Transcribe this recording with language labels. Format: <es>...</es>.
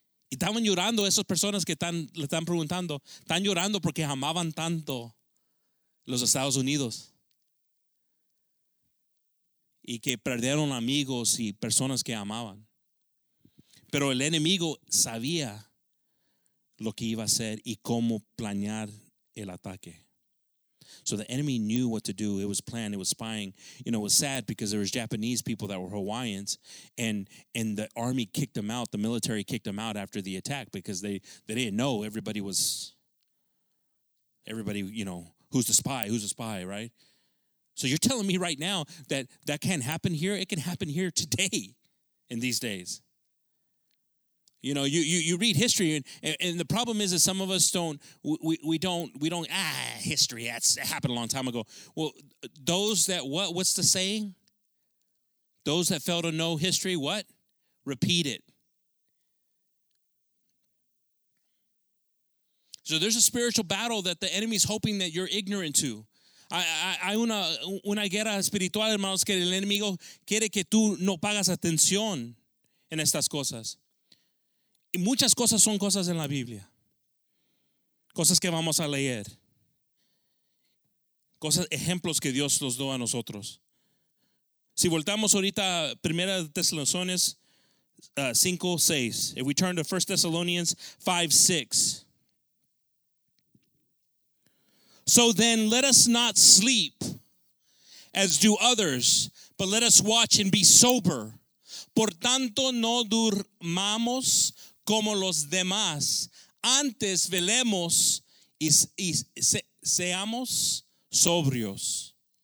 <es>Y estaban llorando esas personas que están, le están preguntando, están llorando porque amaban tanto los Estados Unidos. Y que perdieron amigos y personas que amaban. Pero el enemigo sabía lo que iba a hacer y cómo planear el ataque.</es> <en>So the enemy knew what to do. It was planned. It was spying. You know, it was sad because there was Japanese people that were Hawaiians. And the army kicked them out. The military kicked them out after the attack because they didn't know everybody was, everybody, you know, who's the spy? Who's the spy, right? So you're telling me right now that that can't happen here? It can happen here today in these days. You know, you read history, and the problem is that some of us don't, we don't, history, that's happened a long time ago. Well, those that, what's the saying? Those that fail to know history, what? Repeat it. So there's a spiritual battle that the enemy's hoping that you're ignorant to.</en> <es>Hay una guerra espiritual, hermanos, que el enemigo quiere que tú no pagas atención en estas cosas. Y muchas cosas son cosas en la Biblia. Cosas que vamos a leer. Cosas, ejemplos que Dios nos dio a nosotros. Si voltamos ahorita a 1 Tesalonicenses 5:6.</es> <en>If we turn to 1 Thessalonians 5:6. So then let us not sleep as do others, but let us watch and be sober.</en> <es>Por tanto no durmamos como los demás, antes velemos y seamos sobrios.</es>